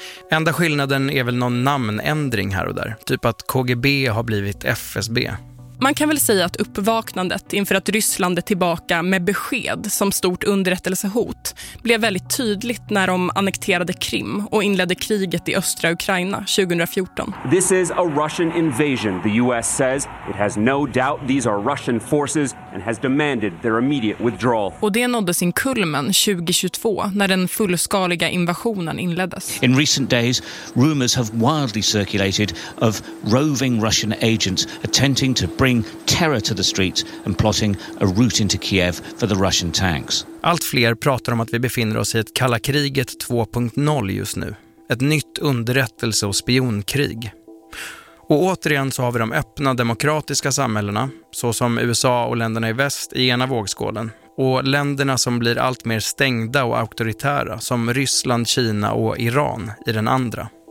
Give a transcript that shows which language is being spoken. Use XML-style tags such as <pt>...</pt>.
<sv>Enda skillnaden är väl någon namnändring här och där, typ att KGB har blivit FSB. Man kan väl säga att uppvaknandet inför att Ryssland är tillbaka med besked som stort underrättelsehot blev väldigt tydligt när de annekterade Krim och inledde kriget i östra Ukraina 2014.</sv> <en>This is a Russian invasion, the US says. It has no doubt these are Russian forces and has demanded their immediate withdrawal.</en> <sv>Och det nådde sin kulmen 2022 när den fullskaliga invasionen inleddes.</sv> <en>In recent days, rumors have wildly circulated of roving Russian agents attempting to bring terror to the streets and plotting a route into Kiev for the Russian tanks.</en> <sv>Allt fler pratar om att vi befinner oss i ett kalla kriget 2.0 just nu. Ett nytt underrättelse- och spionkrig. Och återigen så har vi de öppna demokratiska samhällena, såsom USA och länderna i väst i ena vågskålen. Och länderna som blir allt mer stängda och auktoritära, som Ryssland, Kina och Iran i den andra.</sv>